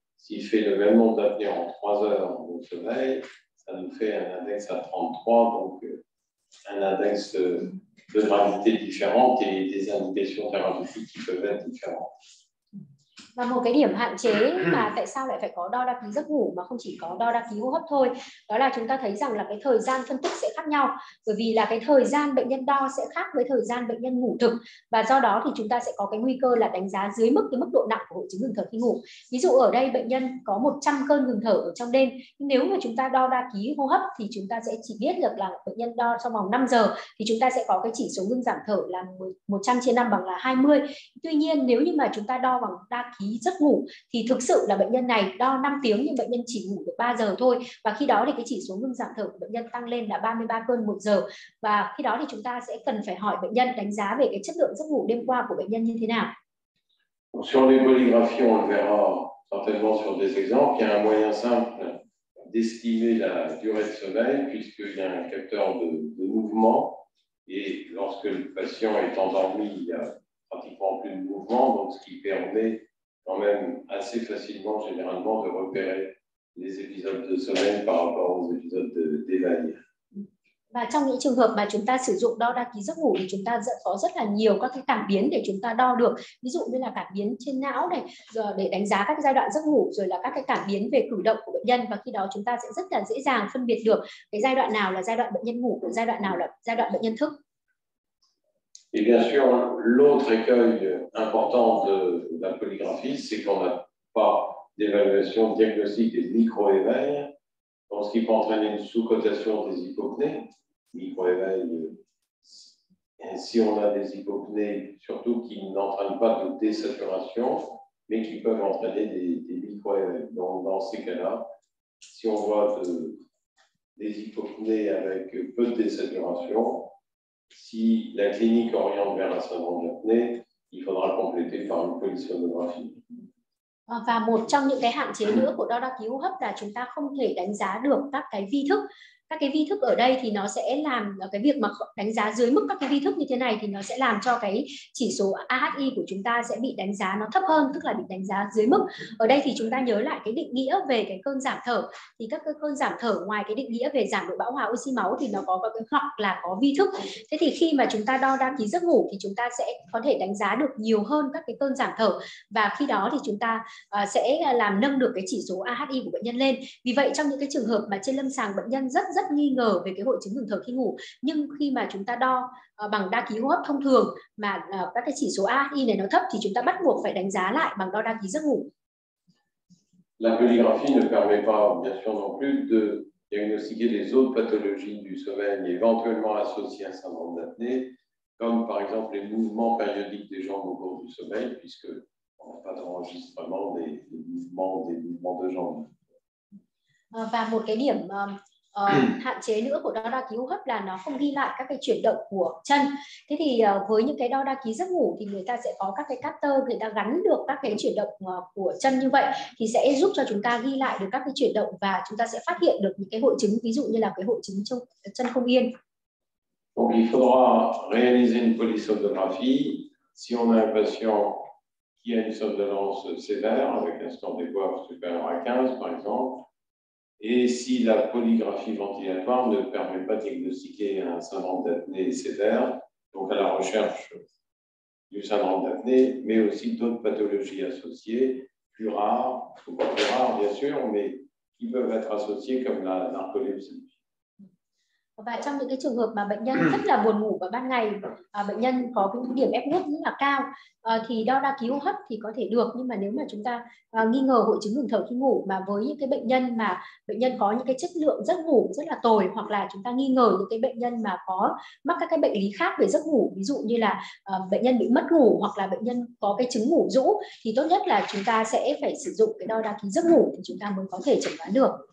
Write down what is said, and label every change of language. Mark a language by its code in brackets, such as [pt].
[fr] S'il fait le même nombre d'apnée en 3 heures au sommeil, ça nous fait un index à 33, donc un index de gravité différente et des indications thérapeutiques qui peuvent être différentes. [vi] Và một cái điểm hạn chế mà tại sao lại phải có đo đa ký giấc ngủ mà không chỉ có đo đa ký hô hấp thôi, đó là chúng ta thấy rằng là cái thời gian phân tích sẽ khác nhau, bởi vì là cái thời gian bệnh nhân đo sẽ khác với thời gian bệnh nhân ngủ thực, và do đó thì chúng ta sẽ có cái nguy cơ là đánh giá dưới mức cái mức độ nặng của hội chứng ngừng thở khi ngủ. Ví dụ ở đây bệnh nhân có 100 cơn ngừng thở ở trong đêm, nếu mà chúng ta đo đa ký hô hấp thì chúng ta sẽ chỉ biết được là bệnh nhân đo trong vòng 5 giờ thì chúng ta sẽ có cái chỉ số ngưng giảm thở là 100/5 bằng là 20. Tuy nhiên nếu như mà chúng ta đo bằng đa ký giấc ngủ thì thực sự là bệnh nhân này đo 5 tiếng nhưng bệnh nhân chỉ ngủ được 3 giờ thôi, và khi đó thì cái chỉ số ngưng giảm thở của bệnh nhân tăng lên là 33 cơn một giờ, và khi đó thì chúng ta sẽ cần phải hỏi bệnh nhân đánh giá về cái chất lượng giấc ngủ đêm qua của bệnh nhân như thế nào. [fr] Sur les polygraphies, on le verra certainement sur des exemples, il y a un moyen simple d'estimer la durée de sommeil puisqu'il y a un capteur de mouvement, et lorsque le patient est endormi il y a pratiquement plus de mouvement, donc ce qui permet quand même assez facilement, généralement, de repérer les épisodes de sommeil par rapport aux épisodes d'éveil. [vi] Và trong những trường hợp mà chúng ta sử dụng đo đa ký giấc ngủ thì chúng ta có rất là nhiều các cái cảm biến để chúng ta đo được, ví dụ như là cảm biến trên não này, rồi để đánh giá các giai đoạn giấc ngủ, rồi là các cái cảm biến về cử động của bệnh nhân, và khi đó chúng ta sẽ rất là dễ dàng phân biệt được cái giai đoạn nào là giai đoạn bệnh nhân ngủ, giai đoạn nào là giai đoạn bệnh nhân thức. [fr] Et bien sûr, l'autre écueil important de la polygraphie, c'est qu'on n'a pas d'évaluation diagnostique des micro-éveils, ce qui peut entraîner une sous-cotation des hypopnées. Micro-éveils, si on a des hypopnées, surtout qui n'entraînent pas de désaturation, mais qui peuvent entraîner des micro-éveils. Donc, dans ces cas-là, si on voit des hypopnées avec peu de désaturation, si la clinique oriente vers la syndrome d'apnée, il faudra compléter par une polysomnographie. [vi] Và một trong những cái hạn chế nữa của đo đa ký hô hấp là chúng ta không thể đánh giá được các cái vi thức. Các cái vi thức ở đây thì nó sẽ làm cái việc mà đánh giá dưới mức các cái vi thức như thế này thì nó sẽ làm cho cái chỉ số AHI của chúng ta sẽ bị đánh giá nó thấp hơn, tức là bị đánh giá dưới mức. Ở đây thì chúng ta nhớ lại cái định nghĩa về cái cơn giảm thở, thì các cái cơn giảm thở ngoài cái định nghĩa về giảm độ bão hòa oxy máu thì nó có các cái hoặc là có vi thức. Thế thì khi mà chúng ta đo đa ký giấc ngủ thì chúng ta sẽ có thể đánh giá được nhiều hơn các cái cơn giảm thở, và khi đó thì chúng ta sẽ làm nâng được cái chỉ số AHI của bệnh nhân lên. Vì vậy trong những cái trường hợp mà trên lâm sàng bệnh nhân rất rất nghi ngờ về cái hội chứng ngừng thở khi ngủ, nhưng khi mà chúng ta đo bằng đa ký hô hấp thông thường mà các cái chỉ số AHI này nó thấp thì chúng ta bắt buộc phải đánh giá lại bằng đo đa ký giấc ngủ. [fr] La polygraphie ne permet pas, bien sûr non plus, de diagnostiquer les autres pathologies du sommeil éventuellement associées à un syndrome d'apnée, comme par exemple les mouvements périodiques des jambes au cours du sommeil, puisque on n'a pas d'enregistrement des mouvements de jambes. [vi] Và một cái điểm hạn chế nữa của đo đa ký hô hấp là nó không ghi lại các cái chuyển động của chân. Thế thì với những cái đo đa ký giấc ngủ thì người ta sẽ có các cái capter, người ta gắn được các cái chuyển động của chân như vậy thì sẽ giúp cho chúng ta ghi lại được các cái chuyển động và chúng ta sẽ phát hiện được những cái hội chứng, ví dụ như là cái hội chứng trong chân không yên. [fr] Donc, il faudra réaliser une polysomnographie si on a un patient qui a une somnolence sévère avec un score des voix supérieur à 15 par exemple. Et si la polygraphie ventilatoire ne permet pas de diagnostiquer un syndrome d'apnée sévère, donc à la recherche du syndrome d'apnée, mais aussi d'autres pathologies associées, plus rares, ou pas plus rares bien sûr, mais qui peuvent être associées comme la narcolepsie. [vi] Và trong những cái trường hợp mà bệnh nhân rất là buồn ngủ vào ban ngày, bệnh nhân có cái điểm ép nước rất là cao, thì đo đa ký hô hấp thì có thể được, nhưng mà nếu mà chúng ta nghi ngờ hội chứng ngừng thở khi ngủ mà với những cái bệnh nhân mà bệnh nhân có những cái chất lượng giấc ngủ rất là tồi, hoặc là chúng ta nghi ngờ những cái bệnh nhân mà có mắc các cái bệnh lý khác về giấc ngủ, ví dụ như là bệnh nhân bị mất ngủ hoặc là bệnh nhân có cái chứng ngủ rũ, thì tốt nhất là chúng ta sẽ phải sử dụng cái đo đa ký giấc ngủ thì chúng ta mới có thể chẩn đoán được.